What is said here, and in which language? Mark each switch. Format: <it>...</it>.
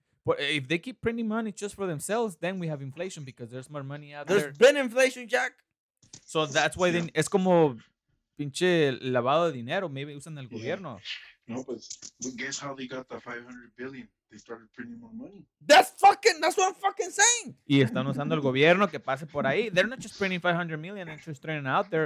<en>But if they keep printing money just for themselves, then we have inflation because there's more money out there's there. There's been inflation, Jack. So that's why then</en> <es>es como pinche lavado de dinero.</es> <en>Maybe</en> <es>usan el gobierno.</es> <en>No, but guess how they got the $500 billion? They started printing more money. That's what I'm fucking saying.</en> <es>Y están usando el gobierno que pase por ahí.</es> <en>They're not just printing $500 million, they're just printing out there.</en>